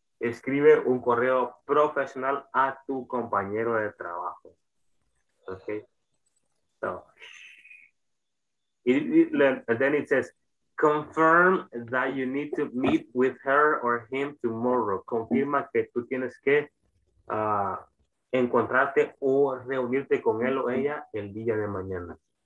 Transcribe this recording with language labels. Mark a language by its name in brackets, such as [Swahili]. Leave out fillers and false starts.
[Spanish] Escribe un correo profesional a tu compañero de trabajo. Okay. So, [English] Then it says, confirm that you need to meet with her or him tomorrow. [Spanish] Confirma que tú tienes que encontrarte o reunirte con él o ella el día de mañana.